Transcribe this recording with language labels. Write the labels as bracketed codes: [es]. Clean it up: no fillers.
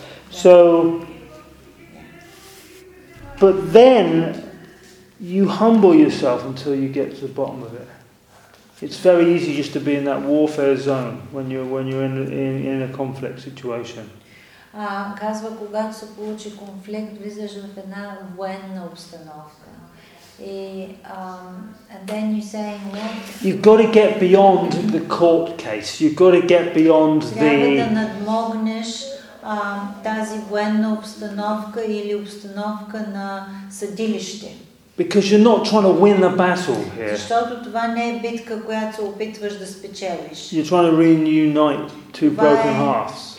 [en] So, but then you humble yourself until you get to the bottom of it. It's very easy just to be in that warfare zone when you're in a conflict situation. [bg] Казва, когато се получи конфликт, влизаш в една военна обстановка. И [en] then you say, you've got to get beyond the court case. You've got to get beyond the. [bg] Трябва да надмогнеш тази военна обстановка или обстановка на съдилище. [en] Because you're not trying to win the battle here. [bg] Защото това не е битка, която се опитваш да спечелиш. [en] You're trying to reunite two broken hearts.